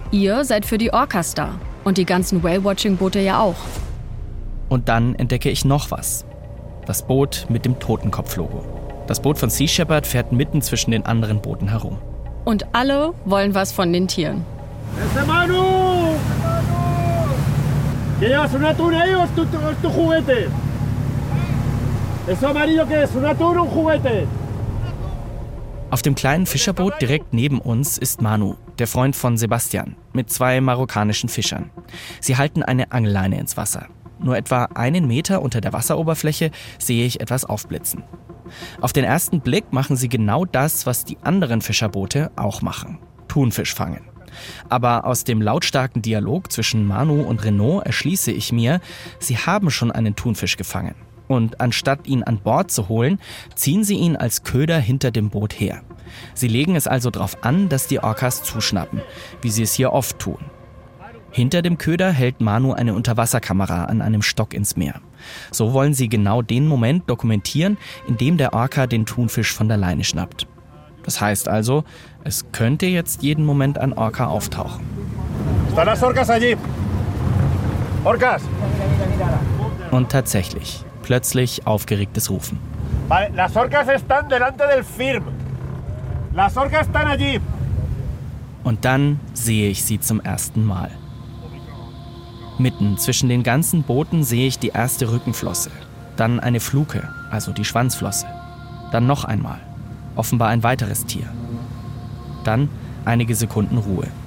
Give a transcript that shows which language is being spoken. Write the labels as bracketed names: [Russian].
[German] Ihr seid für die Orcas da. Und die ganzen Whale-Watching-Boote ja auch. Und dann entdecke ich noch was. Das Boot mit dem Totenkopf-Logo. Das Boot von Sea Shepherd fährt mitten zwischen den anderen Booten herum. Und alle wollen was von den Tieren. [Spanish] Ese Manu! ¿Qué llevas, un atún ahí o es tu juguete? ¿Eso amarillo qué es? ¿Un atún o un juguete? [German] Auf dem kleinen Fischerboot direkt neben uns ist Manu, der Freund von Sebastian, mit 2 marokkanischen Fischern. Sie halten eine Angelleine ins Wasser. Nur etwa 1 Meter unter der Wasseroberfläche sehe ich etwas aufblitzen. Auf den ersten Blick machen sie genau das, was die anderen Fischerboote auch machen. Thunfisch fangen. Aber aus dem lautstarken Dialog zwischen Manu und Renault erschließe ich mir, sie haben schon einen Thunfisch gefangen. Und anstatt ihn an Bord zu holen, ziehen sie ihn als Köder hinter dem Boot her. Sie legen es also darauf an, dass die Orcas zuschnappen, wie sie es hier oft tun. Hinter dem Köder hält Manu eine Unterwasserkamera an einem Stock ins Meer. So wollen sie genau den Moment dokumentieren, in dem der Orca den Thunfisch von der Leine schnappt. Das heißt also, es könnte jetzt jeden Moment ein Orca auftauchen. [Spanish] Están las orcas allí. Orcas. [German] Und tatsächlich, plötzlich aufgeregtes Rufen. [Spanish] Las orcas están delante del Firm. Las orcas están allí. [German] Und dann sehe ich sie zum ersten Mal. Mitten zwischen den ganzen Booten sehe ich die erste Rückenflosse, dann eine Fluke, also die Schwanzflosse. Dann noch einmal, offenbar ein weiteres Tier. Dann einige Sekunden Ruhe.